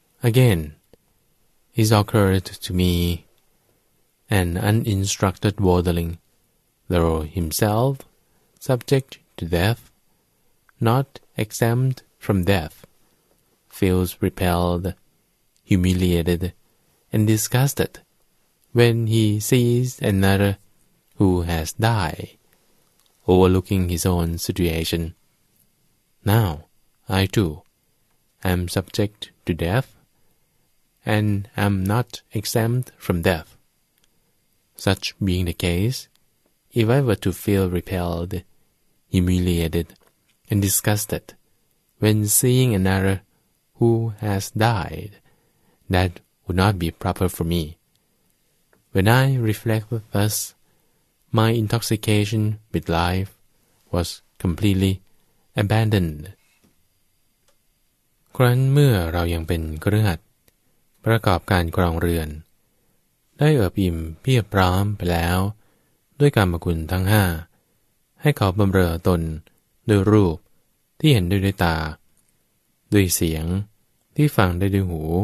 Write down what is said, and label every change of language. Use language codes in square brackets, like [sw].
[en] Again, it occurred to meAn uninstructed worldling, though himself subject to death, not exempt from death, feels repelled, humiliated, and disgusted when he sees another who has died, overlooking his own situation. Now, I too am subject to death, and am not exempt from death. Such being the case, if I were to feel repelled, humiliated, and disgusted when seeing another who has died, that would not be proper for me. When I reflect thus, my intoxication with life was completely abandoned. [th] ครั้นเมื่อเรายังเป็นคฤหัสถ์ประกอบการครองเรือนได้เอิบอิ่มเพียบพร้อมไปแล้วด้วยกามคุณทั้งห้าให้เขาบำเรอตนด้วยรูปที่เห็นด้วยตาด้วยเสียงที่ฟังได้ด้วยหู